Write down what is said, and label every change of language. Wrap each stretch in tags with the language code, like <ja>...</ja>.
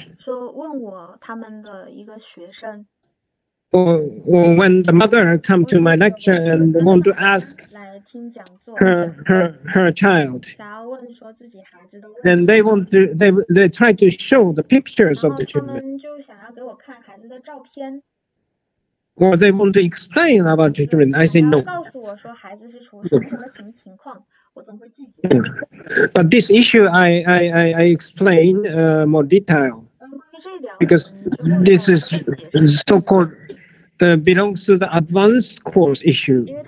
<zh>说问我他们的一个学生,</zh> <en>or when the mother come to my lecture and want to ask her child,</en> <zh>想要问说自己孩子的问题,</zh> <en>then they want to they try to show the pictures of the children.</en> <zh>然后他们就想要给我看孩子的照片。</zh> <en>Or they want to explain about the children. I say no. But this issue I explain more detail. Because this is so-called belongs to the advanced course issue.</en>